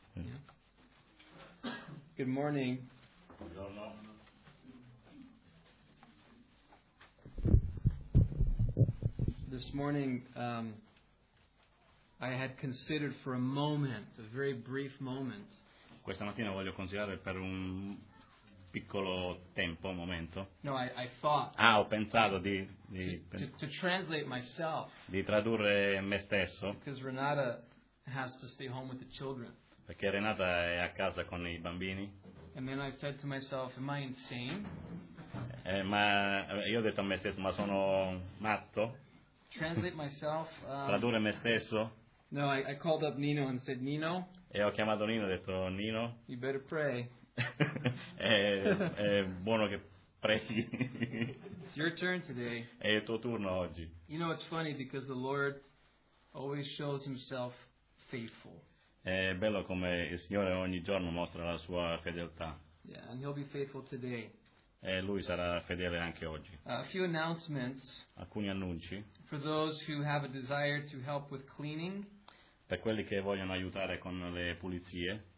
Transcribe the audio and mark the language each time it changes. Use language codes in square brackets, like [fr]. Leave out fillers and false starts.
[en] Yeah. Good morning. This morning, I had considered for a moment, a very brief moment. [it] Questa mattina voglio considerare per un piccolo tempo, un momento. [en] No, I thought. [it] Ah, ho pensato di. [en] To translate myself. [it] Di tradurre me stesso. [en] Because Renata has to stay home with the children. [it] Perché Renata è a casa con I bambini. [en] And then I said to myself, "Am I insane?" [it] Ma io ho detto a me stesso, ma sono matto? [en] Translate myself. [it] Tradurre me stesso. [en] No, I called up Nino and said, "Nino." [it] E ho chiamato Nino e ho detto, "Nino." [en] You better pray. [it] è buono che preghi. [en] It's your turn today. [it] È il tuo turno oggi. [en] You know, it's funny because the Lord always shows Himself faithful. [it] È bello come il Signore ogni giorno mostra la sua fedeltà. [en] Yeah, and He'll be faithful today. [it] E lui sarà fedele anche oggi. [en] A few announcements. [it] Alcuni annunci. [en] For those who have a desire to help with cleaning. [it] Per quelli che vogliono aiutare con le pulizie.